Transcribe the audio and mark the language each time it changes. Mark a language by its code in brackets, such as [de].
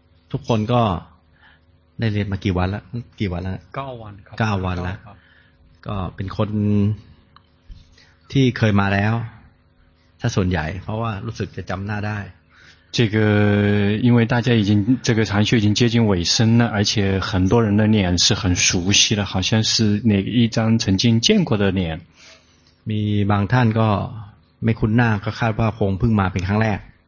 [th] ทุกคนก็ได้เรียนมากี่วันแล้วกี่วันแล้ว เก้าวันครับ เก้าวันแล้วก็เป็นคนที่เคยมาแล้วถ้าส่วนใหญ่เพราะว่ารู้สึกจะจำหน้าได้ [zh] 这个因为大家已经这个禅修已经接近尾声了而且很多人的脸是很熟悉的好像是哪一张曾经见过的脸 [th] มีบางท่านก็ไม่คุ้นหน้าก็คาดว่าคงเพิ่งมาเป็นครั้งแรก